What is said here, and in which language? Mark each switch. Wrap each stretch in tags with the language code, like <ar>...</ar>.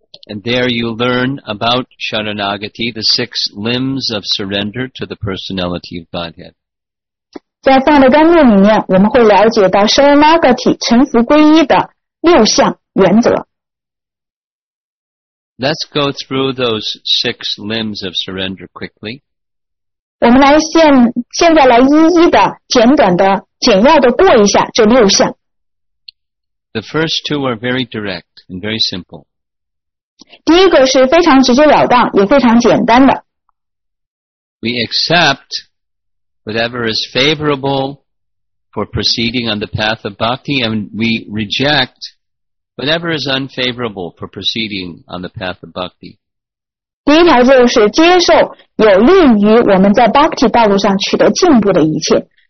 <en>And there you learn about Sharanagati, the six limbs of surrender to the personality of Godhead.</en> <zh>在奉爱的甘露里面我们会了解到 Sharanagati, 臣服皈依的六项原则。</zh> <en>Let's go through those six limbs of surrender quickly.</en> <zh>我们来现在来一一的简短的简要的过一下这六项。</zh> <en>The first two are very direct and very simple.</en> <zh>第一个是非常直接了当也非常简单的。</zh> <en>We accept whatever is favorable for proceeding on the path of bhakti and we reject whatever is unfavorable for proceeding on the path of bhakti.</en> <zh>第一条就是接受有利于我们在 bhakti 道路上取得进步的一切。</zh>